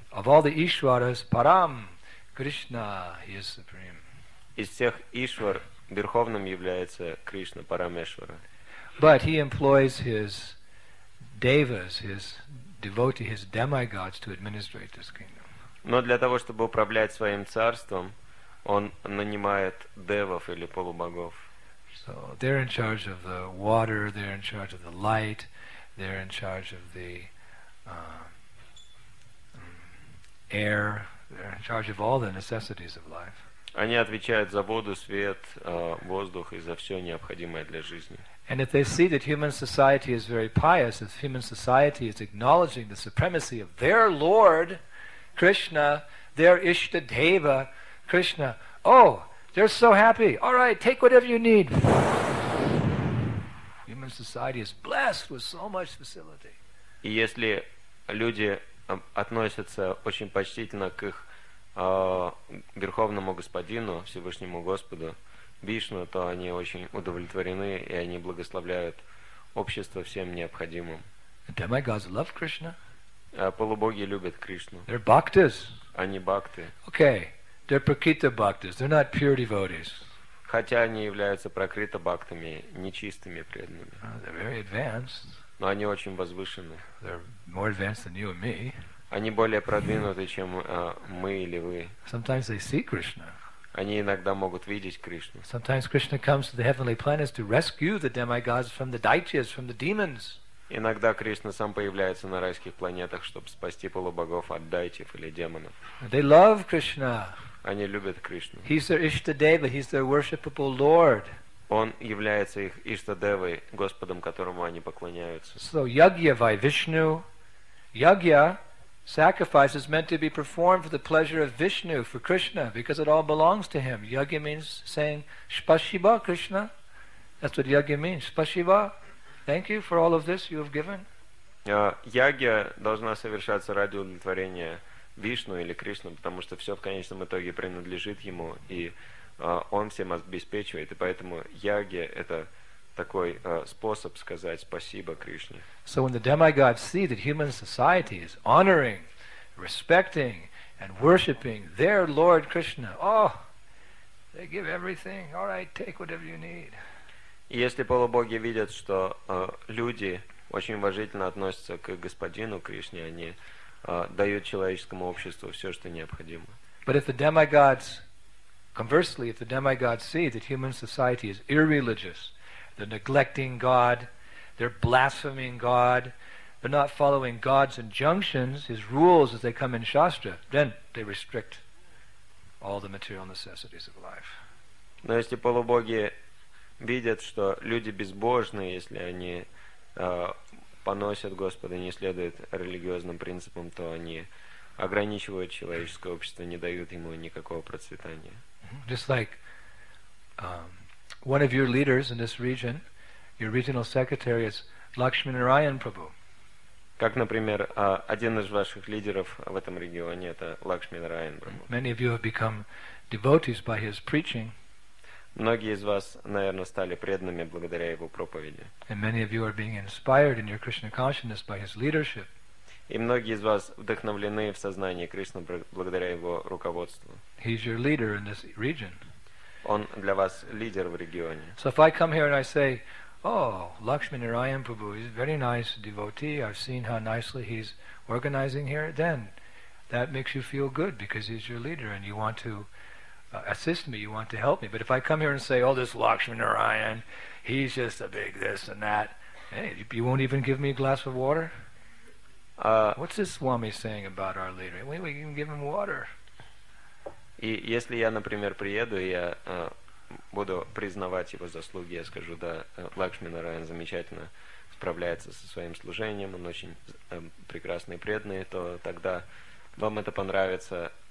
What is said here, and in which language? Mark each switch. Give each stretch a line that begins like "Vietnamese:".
English: Of all the Ишварас, Парам Кришна, he is supreme.
Russian: Из всех Ишвар верховным является Кришна, Парамешвара.
English: But he employs his devas, his devotees, his demigods to administrate this kingdom.
Russian: Но для того, чтобы управлять своим царством, он нанимает девов или полубогов.
English: So they're in charge of the water, they're in charge of the light, they're in charge of the air. They're in charge of all the necessities of life.
Russian: Они отвечают за воду, свет, воздух и за все необходимое для жизни.
English: And if they see that human society is very pious, if human society is acknowledging the supremacy of their Lord, Krishna, their Ishtadeva, Krishna, oh, they're so happy. All right, take whatever you need. Human society is blessed with so much facility.
Russian: И если люди относятся очень почтительно к их Верховному Господину, Всевышнему Господу, Вишну, то они очень удовлетворены, и они благословляют общество всем необходимым.
English: Demigods love Krishna.
Russian: Полубоги любят Кришну.
English: They're bhaktas.
Russian: Они бхакты.
English: Okay, they're prakrita bhaktas. They're not pure devotees.
Russian: Хотя они являются прокрита бхактами, нечистыми преданными.
English: They're very advanced.
Russian: Но они очень возвышены.
English: They're more advanced than you and me.
Russian: Они более продвинуты, чем мы или вы.
English: Sometimes they see Krishna.
Russian: Они иногда могут видеть Кришну.
English: Sometimes Krishna comes to the heavenly planets to rescue the demigods from the daityas, from the demons.
Russian: Иногда Кришна сам появляется на райских планетах, чтобы спасти полубогов от дайтев или демонов.
English: They love Krishna.
Russian: Они любят Кришну.
English: He's their Ishtadeva, he's their worshipable Lord.
Russian: Он является их Ishtadevой, Господом, которому они поклоняются.
Sanskrit: So yagya vai Vishnu, yagya.
English: Sacrifice is meant to be performed for the pleasure of Vishnu, for Krishna, because it all belongs to him. Yagya means saying, Spashiva, Krishna. That's what yagya means. Spashiva. Thank you for all of this you have given.
Russian: Yagya должна совершаться ради удовлетворения Вишну или Кришны, потому что все в конечном итоге принадлежит ему, и он всем обеспечивает. И поэтому yagya – это такой способ сказать спасибо Кришне.
English: So when the demigods see that human society is honoring, respecting, and worshipping their Lord Krishna, oh, they give everything. All right, take whatever you need.
Russian: Если полубоги видят, что люди очень уважительно относятся к господину Кришне, они дают человеческому обществу все, что необходимо.
English: But if the demigods, conversely, if the demigods see that human society is irreligious, they're neglecting God, they're blaspheming God, they're not following God's injunctions, His rules as they come in Shastra, then they restrict all the material necessities of life.
Russian: Но если полубоги видят, что люди безбожны, если они поносят Господа, не следуют религиозным принципам, то они ограничивают человеческое общество, не дают ему никакого процветания.
English: Just like one of your leaders in this region, your regional secretary is Lakshmi Narayan Prabhu.
Russian: Как, например, один из ваших лидеров в этом регионе это Лакшми Нараян Прабху.
English: Many of you have become devotees by his preaching.
Russian: Многие из вас, наверное, стали преданными благодаря его проповеди.
English: And many of you are being inspired in your Krishna consciousness by his leadership.
Russian: И многие из вас вдохновлены в сознании Кришны благодаря его руководству.
English: He's your leader in this region.
Russian: Он для вас лидер в регионе.
English: So if I come here and I say, oh, Lakshmi Narayan Prabhu, he's a very nice devotee, I've seen how nicely he's organizing here, then that makes you feel good because he's your leader and you want to assist me, you want to help me. But if I come here and say, oh, this Lakshmi Narayan, he's just a big this and that, hey, you won't even give me a glass of water? What's this Swami saying about our leader? We can give him water.
Russian: И если я, например, приеду, я буду признавать его заслуги, я скажу, да, Лакшми Нараян замечательно справляется со своим служением, он очень прекрасный и преданный, то тогда вам это понравится.